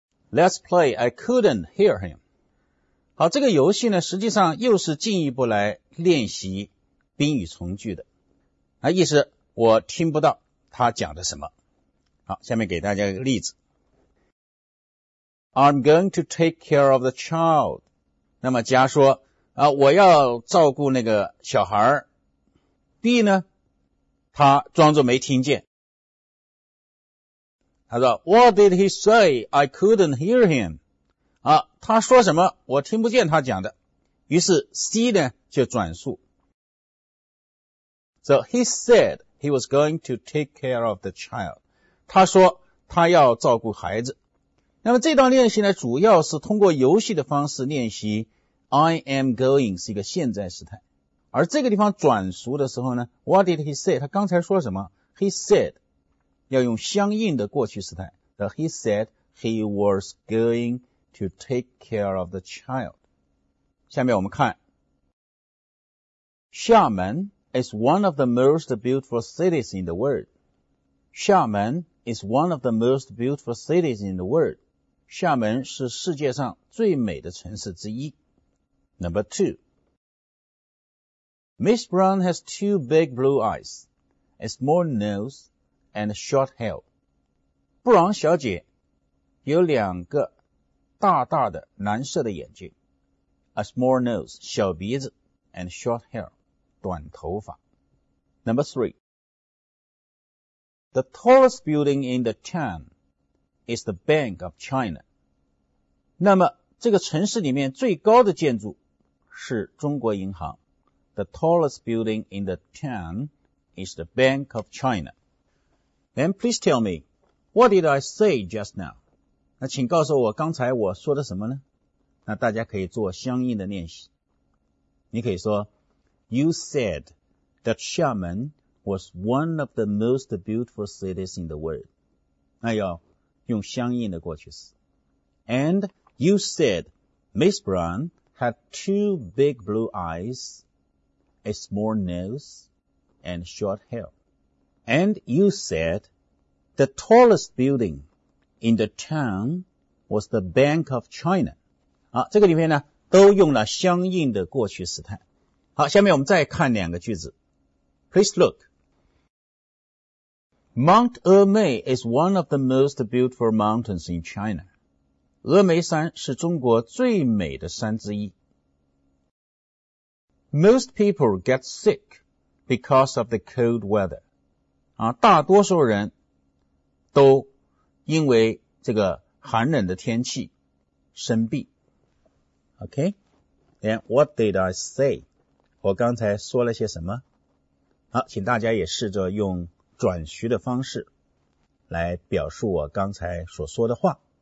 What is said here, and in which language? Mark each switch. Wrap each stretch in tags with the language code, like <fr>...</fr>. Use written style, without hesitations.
<en>Let's play. I couldn't hear him.</en> <zh>好，这个游戏呢，实际上又是进一步来练习宾语从句的。那意思，我听不到他讲的什么。好，下面给大家一个例子。</zh> <en>I'm going to take care of the child.</en> <zh>那么甲说啊，我要照顾那个小孩。 B 呢，他装作没听见。他说</zh> <en>,What did he say? I couldn't hear him.</en> <zh>啊，他说什么？我听不见他讲的。于是 C 呢就转述。</zh> <en>So he said he was going to take care of the child.</en> <zh>他说他要照顾孩子。那么这段练习呢，主要是通过游戏的方式练习</zh> <en>I am going</en> <zh>是一个现在时态，而这个地方转述的时候呢，</zh> <en>What did he say?</en> <zh>他刚才说什么？</zh> <en>He said</en> <zh>要用相应的过去时态。</zh> <en>He said he was going to take care of the child.</en> <zh>下面我们看，</zh> <en>厦门 is one of the most beautiful cities in the world. 厦门 is one of the most beautiful cities in the world.</en> <zh>厦门是世界上最美的城市之一。</zh> <en>Number two. Miss Brown has two big blue eyes, a small nose, and a short hair.</en> <zh>布朗小姐有两个大大的蓝色的眼睛。</zh> <en>A small nose,</en> <zh>小鼻子</zh> <en>and short hair,</en> <zh>短头发。</zh> <en>Number three. The tallest building in the town is the Bank of China.</en> <zh>那么这个城市里面最高的建筑是中国银行。</zh> <en>The tallest building in the town is the Bank of China. Then please tell me, what did I say just now?</en> <zh>那请告诉我刚才我说的什么呢？那大家可以做相应的练习。你可以说</zh> <en>You said that 厦门 was one of the most beautiful cities in the world.</en> <zh>那要用相应的过去式。</zh> <en>AndYou said Miss Brown had two big blue eyes, a small nose, and short hair. And you said the tallest building in the town was the Bank of China.</en> <zh>好，这个里面呢都用了相应的过去时态。好，下面我们再看两个句子。</zh> <en>Please look. Mount Emei is one of the most beautiful mountains in China.</en> <zh>峨眉山是中国最美的山之一。</zh> <en>Most people get sick because of the cold weather.</en> <zh>啊，大多数人都因为这个寒冷的天气生病。</zh> <en>Okay? Then what did I say?</en> <zh>我刚才说了些什么？好，请大家也试着用转述的方式来表述我刚才所说的话。</zh>